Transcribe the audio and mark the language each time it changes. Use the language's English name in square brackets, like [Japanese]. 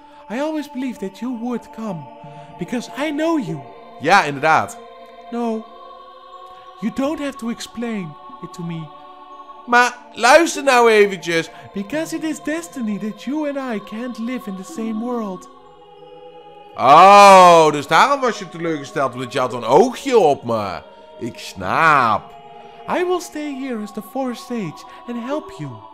[English] I always believed that you would come, because I know you. [Dutch] Ja, inderdaad. [English] No, you don't have to explain it to me. [Dutch] Maar luister nou eventjes. [English] Because it is destiny that you and I can't live in the same world. [Dutch] Oh, dus daarom was je teleurgesteld, omdat je had een oogje op me. Ik snap. [English] I will stay here as the forest sage and help you.